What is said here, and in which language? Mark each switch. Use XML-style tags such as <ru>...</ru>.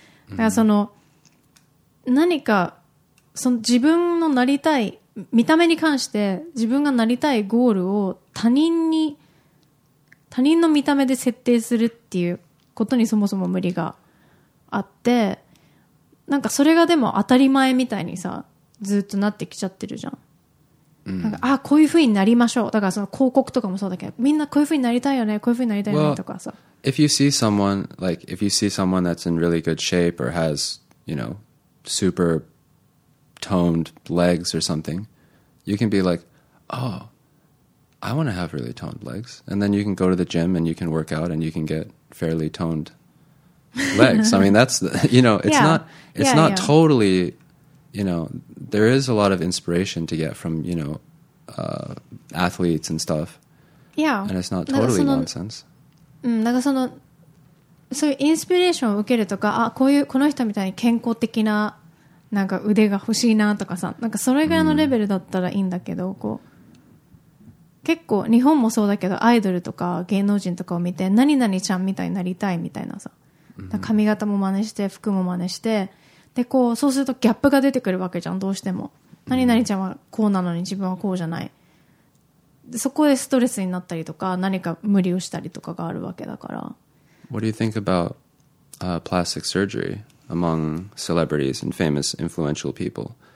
<ja>だからその、何か、その自分のなりたい、見た目に関して自分がなりたいゴールを他人の見た目で設定するっていうことにそもそも無理があって、なんかそれがでも当たり前みたいにさずっとなってきちゃってるじゃん、うん、なんかあこういう風になりましょうだからその広告とかもそうだけどみんなこういう風になりたいよねこういう風になりたいよねとかさ</ja> <en>Well, if you see someone like if you see someone that's in really good shape or has you know super toned legs or something you can be like oh I want to have really toned legs and then you can go to the gym and you can work out and you can get fairly tonedlegs. I mean, that's, you know, it's not totally, you know, there is a lot of inspiration to get from, you know, athletes and stuff. Yeah. And it's not totally nonsense.</en> <ja>うん、なんかその、そういうインスピレーションを受けるとか、あ、こういう、この人みたいに健康的な、なんか腕が欲しいなとかさ、なんかそれぐらいのレベルだったらいいんだけど、mm. こう。結構、日本もそうだけど、アイドルとか芸能人とかを見て、何々ちゃんみたいになりたいみたいなさ。髪型も真似して服も真似してでこうそうするとギャップが出てくるわけじゃんどうしても何々ちゃんはこうなのに自分はこうじゃないそこでストレスになったりとか何か無理をしたりとかがあるわけだから。</ja> <en>What do you think about、plastic surgery among celebrities and famous influential people?</en>